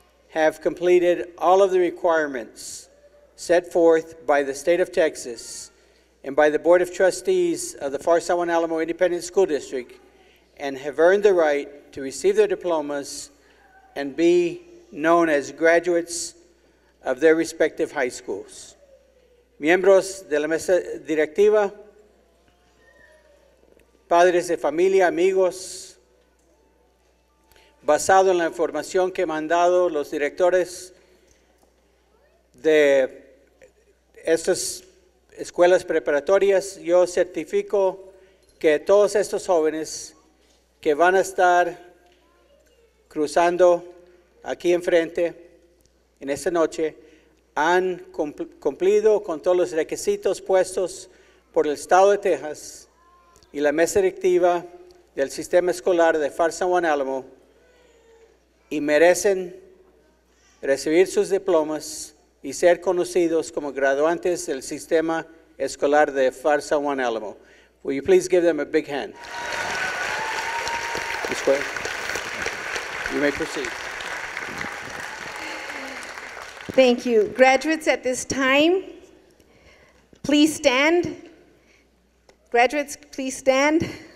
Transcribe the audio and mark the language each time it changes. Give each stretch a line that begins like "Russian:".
English: have completed all of the requirements set forth by the State of Texas and by the Board of Trustees of the Far San Juan Alamo Independent School District, and have earned the right to receive their diplomas and be known as graduates of their respective high schools.
Spanish: Miembros de la mesa directiva, padres de familia, amigos, basado en la información que me han dado los directores de estas escuelas preparatorias, yo certifico que todos estos jóvenes que van a estar cruzando aquí enfrente en esta noche han cumplido con todos los requisitos puestos por el Estado de Texas y la mesa directiva del sistema escolar de Far San Juan Alamo, y merecen recibir sus diplomas y ser conocidos como graduantes del sistema escolar de Far San Juan Alamo.
English: Will you please give them a big hand? Ms. Quay, you may proceed. Thank you. Graduates, at this time, please stand. Graduates, please stand.